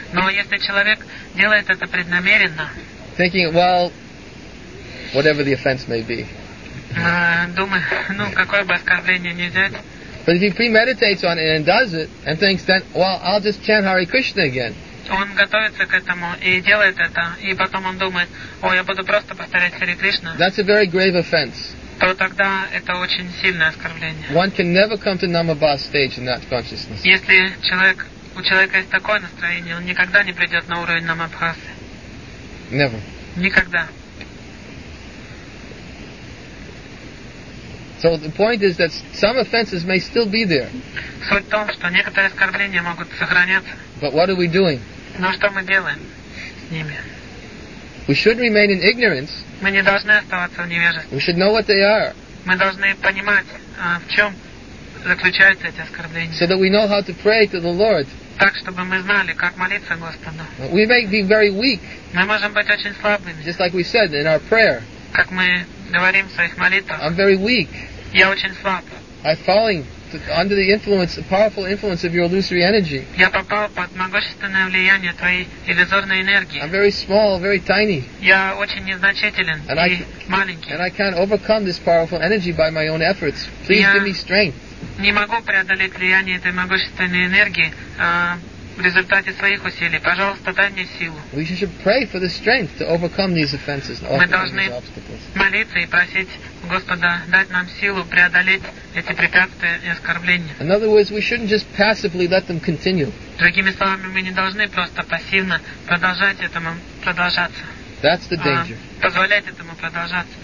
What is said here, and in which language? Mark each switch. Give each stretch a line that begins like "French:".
Russian: Но если человек делает это преднамеренно.
English: Thinking, well, whatever the offense may be.
Russian: Думаю, ну, какое бы оскорбление не взять.
English: But if he premeditates on it and does it, and thinks then, well, I'll just chant Hare Krishna again.
Russian: Он готовится к этому и делает это, и потом он думает, о, я буду просто повторять Хари Кришна.
English: That's a very grave offense.
Russian: То тогда это очень сильное оскорбление.
English: One can never come to Namabha stage in that consciousness.
Russian: Если человек, у человека есть такое настроение, он никогда не придет на уровень Намабхасы.
English: Never.
Russian: Никогда.
English: So the point is that some offenses may still be there.
Russian: Суть в том, что некоторые оскорбления могут сохраняться.
English: But what are we doing?
Russian: Но что мы делаем с ними?
English: We should remain in ignorance.
Russian: Мы не должны оставаться в невежестве.
English: We should know what they are.
Russian: Мы должны понимать, в чем заключаются эти оскорбления.
English: So that we know how to pray to the Lord.
Russian: Так, чтобы мы знали, как молиться Господу.
English: We may be very weak.
Russian: Мы можем быть очень слабыми.
English: Just like we said in our prayer.
Russian: Как мы говорим в своих молитвах.
English: I'm very weak.
Russian: Я очень слаб.
English: I'm falling under the influence, the powerful influence of your illusory energy.
Russian: Я попал под могущественное влияние твоей иллюзорной энергии.
English: I'm very small, very tiny.
Russian: Я очень незначителен
English: and
Russian: и маленький.
English: And I can't overcome this powerful energy by my own efforts. Please give me strength.
Russian: Не могу преодолеть влияние этой могущественной энергии в результате своих усилий. Пожалуйста, дай мне силу.
English: We should pray for the strength to overcome these offenses and overcome these obstacles.
Russian: Мы должны молиться и просить Господа дать нам силу преодолеть эти препятствия и оскорбления.
English: In other words, we shouldn't just passively let them continue.
Russian: Другими словами, мы не должны просто пассивно продолжать этому продолжаться.
English: That's the danger.
Russian: Позволять этому продолжаться.